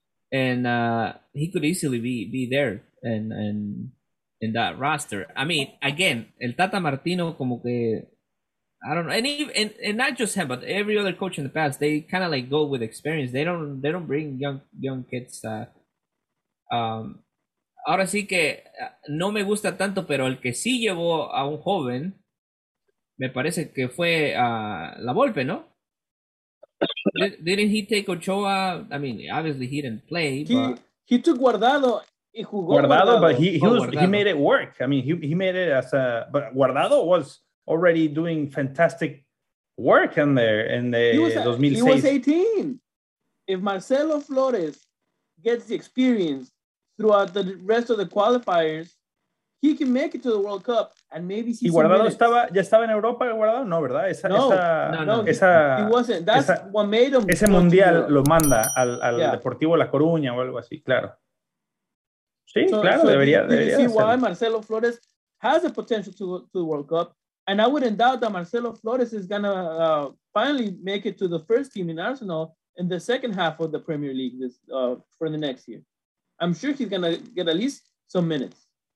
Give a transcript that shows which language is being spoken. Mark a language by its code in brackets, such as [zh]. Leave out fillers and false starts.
[en] He could easily be there and in that roster. I mean, again, El Tata Martino, [es] como que, [en] I don't know, and not just him, but every other coach in the past, they kind of like go with experience. They don't bring young kids. [es] Ahora sí que no me gusta tanto, pero el que sí llevó a un joven, me parece que fue La Volpe, ¿no? [en] Didn't he take Ochoa? I mean, obviously he didn't play, but he took Guardado. Guardado, but he made it work. I mean, he made it as a, but Guardado was already doing fantastic work in there in the 2006. He was 18. If Marcelo Flores gets the experience throughout the rest of the qualifiers, he can make it to the World Cup and maybe see. [es] Y Guardado ya estaba en Europa, Guardado, no, ¿verdad? [en] He wasn't. That's what made him. [es] Ese mundial lo manda al Deportivo La Coruña o algo así, claro. [en] Why Marcelo Flores has the potential to the World Cup, and I wouldn't doubt that Marcelo Flores is gonna finally make it to the first team in Arsenal in the second half of the Premier League for the next year. I'm sure he's gonna get at least some minutes.